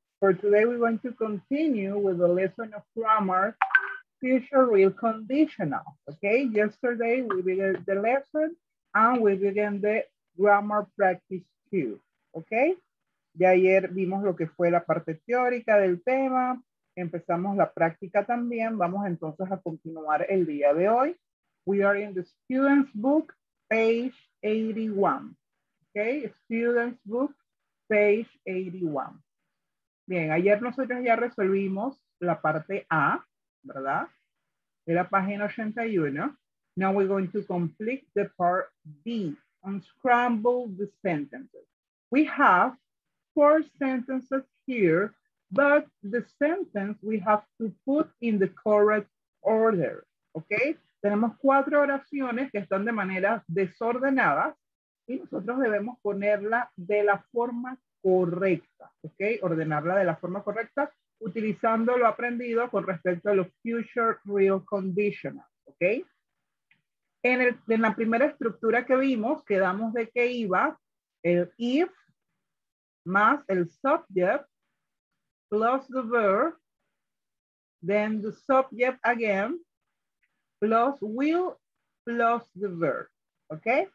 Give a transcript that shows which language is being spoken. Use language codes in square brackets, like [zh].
[en] For today, we're going to continue with the lesson of grammar, future real conditional. Okay, yesterday we began the lesson and we began the grammar practice too. [es] Okay, de ayer vimos lo que fue la parte teórica del tema. Empezamos la práctica también. Vamos entonces a continuar el día de hoy. [en] We are in the student's book, page 81. Okay, student's book, page 81. [es] Bien, ayer nosotros ya resolvimos la parte A, ¿verdad? De la página 81. [en] Now we're going to complete the part B, unscramble the sentences. We have 4 sentences here, but the sentence we have to put in the correct order, okay? [es] Tenemos 4 oraciones que están de manera desordenada. Y nosotros debemos ponerla de la forma correcta, ¿ok? Ordenarla de la forma correcta, utilizando lo aprendido con respecto a los future real conditional, ¿ok? En la primera estructura que vimos, quedamos de que iba el if más el [en] subject plus the verb, [es] then the subject again plus will plus the verb, ¿ok?